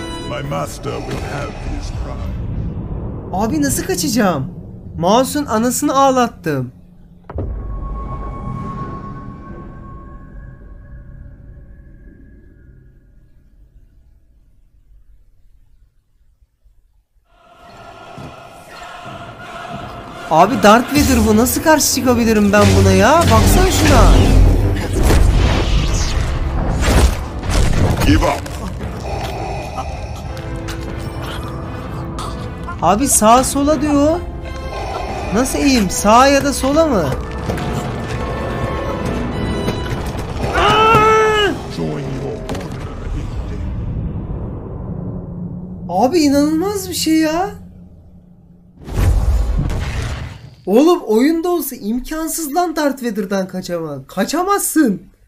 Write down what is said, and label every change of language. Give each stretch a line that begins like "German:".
English: My master will have his crown.
Turkish: Abi nasıl kaçacağım? Mouse'un anasını ağlattım. Abi Darth Vader bu. Nasıl karşı çıkabilirim ben buna ya? Baksana şuna.
English: Give up.
Turkish: Abi sağa sola diyor. Nasıl eğeyim? Sağa ya da sola mı?
English: Join your order in death.
Turkish: Abi inanılmaz bir şey ya. Oğlum oyunda olsa imkansız lan Darth Vader'dan kaçamak. Kaçamazsın.